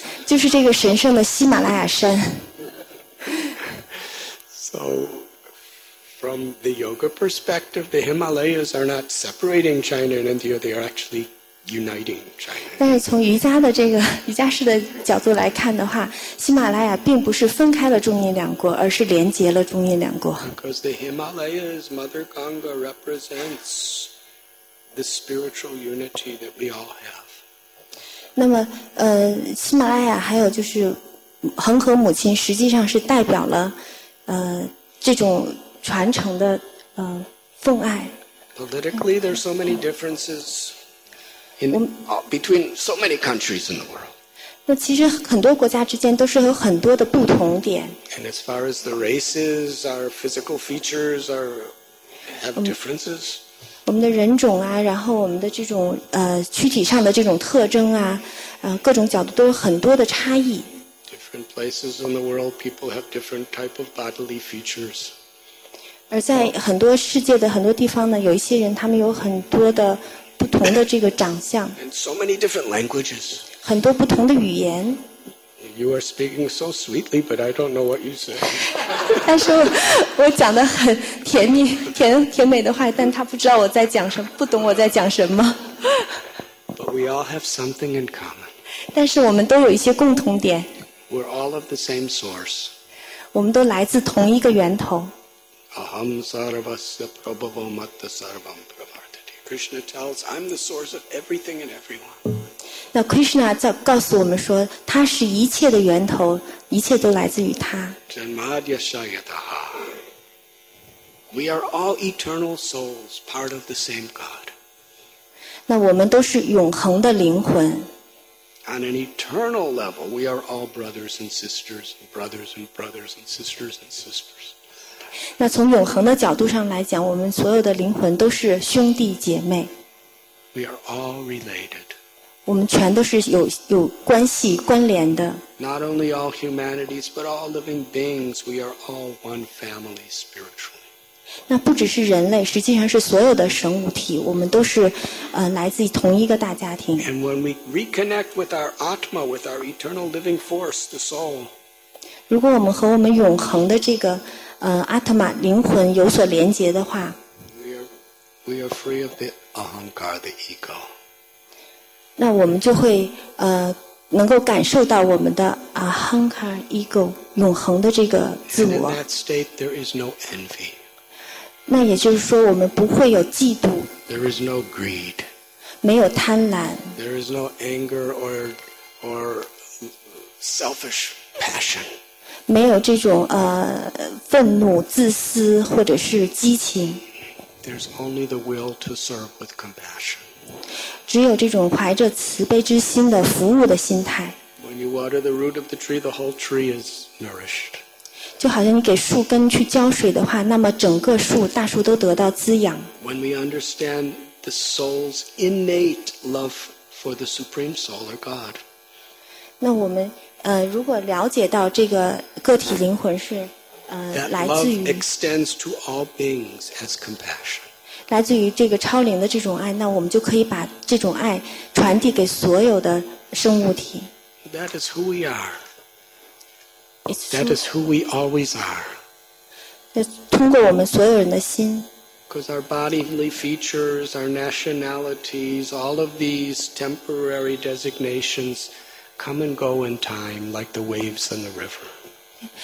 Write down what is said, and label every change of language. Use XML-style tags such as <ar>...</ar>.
<zh>就是这个神圣的喜马拉雅山。</zh> <en>So, from the yoga perspective, the Himalayas are not separating China and India, they are actually uniting China.</en> <zh>但是从瑜伽的这个瑜伽式的角度来看的话，喜马拉雅并不是分开了中印两国，而是连接了中印两国。</zh> <en>Because the Himalayas, Mother Ganga, represents the spiritual unity that we all have.</en> <zh>那么喜马拉雅还有就是恒河母亲实际上是代表了这种传承的奉爱。</zh> <en>Politically, there are so many differences in, between so many countries in the world.</en> <zh>那其实很多国家之间都是有很多的不同点。</zh> <en>And as far as the races, our physical features are, have differences.</en> <zh>我们的人种啊，然后我们的这种躯体上的这种特征啊，各种角度都有很多的差异。</zh> <en>Different places in the world, people have different type of bodily features.</en> <zh>而在很多世界的很多地方呢，有一些人他们有很多的不同的这个长相。</zh> <en>And so many different languages.</en> <zh>很多不同的语言。</zh> <en>You are speaking so sweetly, but I don't know what you say.</en> <zh>他说我讲得很甜蜜、甜美的话，但他不知道我在讲什么，不懂我在讲什么。</zh> <en>But we all have something in common.</en> <zh>但是我们都有一些共同点。</zh> <en>We're all of the same source.</en> <zh>我们都来自同一个源头。</zh> <sa>Aham sarvasya prabhavo matta sarvam pravartate.</sa> <en>Krishna tells, I'm the source of everything and everyone.</en> <zh>那 Krishna 在告诉我们说，他是一切的源头，一切都来自于他。</zh> <sa>Janmadyashayataha.</sa> <en>We are all eternal souls, part of the same God.</en> <zh>那我们都是永恒的灵魂。</zh> <en>On an eternal level, we are all brothers and sisters, and brothers and brothers and sisters and sisters.</en> <zh>那从永恒的角度上来讲，我们所有的灵魂都是兄弟姐妹。</zh> <en>We are all related.</en> <zh>我们全都是 有关系关联的。</zh> <en>Not only all humanities, but all living beings, we are all one family spiritually.</en> <zh>那不只是人类，实际上是所有的神物体，我们都是来自同一个大家庭。</zh> <en>And when we reconnect with our Atma, with our eternal living force, the soul.</en> <zh>如果我们和我们永恒的这个Atma灵魂有所连接的话，</zh> <en>we are free of the ahankar, the ego.</en> <zh>那我们就会能够感受到我们的ahankar ego 永恒的这个自我。</zh> <en>And in that state, there is no envy.</en> <zh>那也就是说，我们不会有嫉妒。</zh> <en>There is no greed.</en> <zh>没有贪婪。</zh> <en>There is no anger or selfish passion.</en> <zh>没有这种愤怒、自私或者是激情。</zh> <en>There's only the will to serve with compassion.</en> <zh>只有这种怀着慈悲之心的服务的心态。</zh> <en>When you water the root of the tree, the whole tree is nourished.</en> <zh>就好像你给树根去浇水的话，那么整个树、大树都得到滋养。</zh> <en>When we understand the soul's innate love for the supreme soul or God.</en> <zh>那我们如果了解到这个个体灵魂是来自于。</zh> <en>That love extends to all beings as compassion.</en> <zh>来自于这个超灵的这种爱，那我们就可以把这种爱传递给所有的生物体。</zh> <en>That is who we are. That is who we always are.</en> <zh>那通过我们所有人的心。</zh> <en>Because our bodily features, our nationalities, all of these temporary designations come and go in time, like the waves in the river.</en>